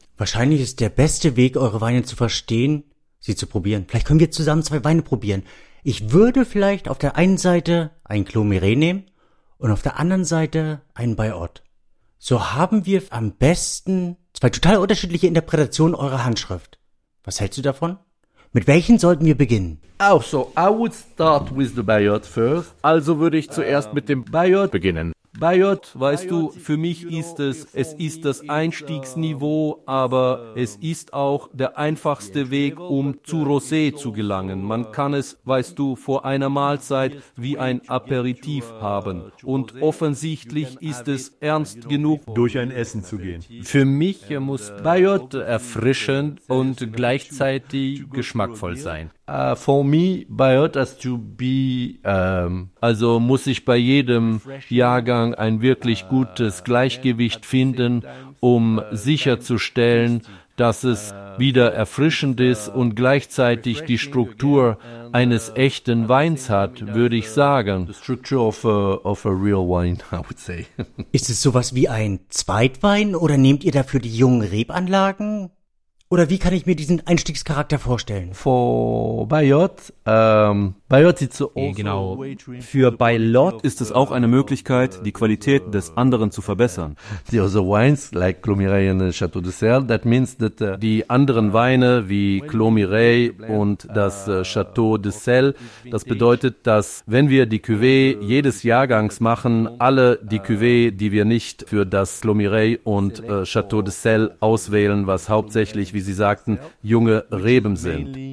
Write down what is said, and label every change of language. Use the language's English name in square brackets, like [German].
[German] Wahrscheinlich ist der beste Weg, eure Weine zu verstehen, sie zu probieren. Vielleicht können wir zusammen zwei Weine probieren. Ich würde vielleicht auf der einen Seite ein Clos-Mireille nehmen und auf der anderen Seite einen Bayard. So haben wir am besten zwei total unterschiedliche Interpretationen eurer Handschrift. Was hältst du davon? Mit welchen sollten wir beginnen? [English] Oh, so I would start with the Bayard first. [German] Also würde ich zuerst mit dem Bayard beginnen. Bayard, weißt du, für mich ist es ist das Einstiegsniveau, aber es ist auch der einfachste Weg, um zu Rosé zu gelangen. Man kann es, weißt du, vor einer Mahlzeit wie ein Aperitif haben. Und offensichtlich ist es ernst genug, durch ein Essen zu gehen. Für mich muss Bayard erfrischend und gleichzeitig geschmackvoll sein. [English] For me, Bayard has to be, [German] also muss ich bei jedem Jahrgang ein wirklich gutes Gleichgewicht finden, um sicherzustellen, dass es wieder erfrischend ist und gleichzeitig die Struktur eines echten Weins hat, würde ich sagen. [English] The structure of a real wine, I would say. [German] Ist es sowas wie ein Zweitwein oder nehmt ihr dafür die jungen Rebanlagen? Oder wie kann ich mir diesen Einstiegscharakter vorstellen? [English] For Bayard, [German] Bayot sieht so aus. Genau. Für Bayot ist es auch eine Möglichkeit, die Qualität des anderen zu verbessern. [English] The other wines, like Clos Mireille and Château de Serre, that means that [German] die anderen Weine wie Clos Mireille und das Château de Serre, das bedeutet, dass wenn wir die Cuvée jedes Jahrgangs machen, alle die Cuvée, die wir nicht für das Clos Mireille und Château de Serre auswählen, was hauptsächlich, wie Sie sagten, junge Reben sind.